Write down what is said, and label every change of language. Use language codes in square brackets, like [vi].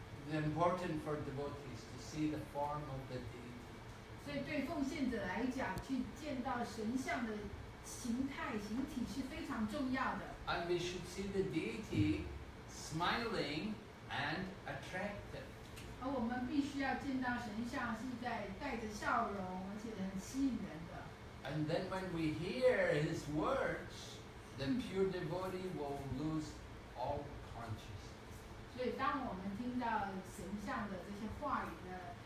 [en] the important for devotees to see the form of the deity. [zh] 所以对奉献者来讲，去见到神像的形态、形体是非常重要的。 [en] And we should see the deity smiling and attractive. [zh] 而我们必须要见到神像是在带着笑容，而且很吸引人的。 [en] And then when we hear his words, the pure devotee will lose all consciousness. [zh] 所以当我们听到神像的这些话语呢？